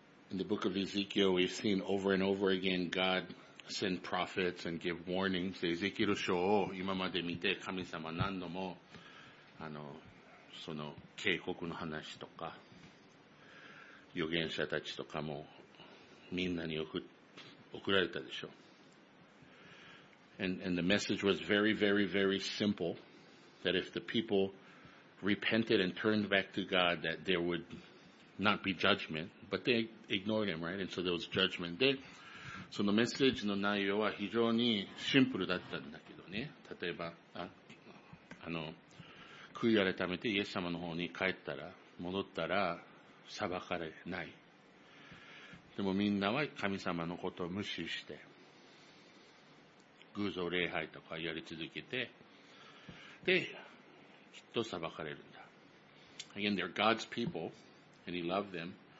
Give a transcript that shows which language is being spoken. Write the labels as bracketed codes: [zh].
[en] In the book of Ezekiel, we've seen over and over again God send prophets and give warnings. [ja] エゼキエル書を今まで見て、神様何度も、その警告の話とか、預言者たちとかも、みんなに送られたでしょう。 [en] And the message was very, very, very simple, that if the people repented and turned back to God, that there would not be judgment. But they ignored him, right? And so there was judgment. [ja] で、そのメッセージの内容は非常にシンプルだったんだけどね。例えば、悔い改めてイエス様の方に帰ったら、戻ったら、裁かれない。でもみんなは神様のことを無視して、偶像礼拝とかやり続けて、で、きっと裁かれるんだ。 [en] Again, they're God's people, and he loved them.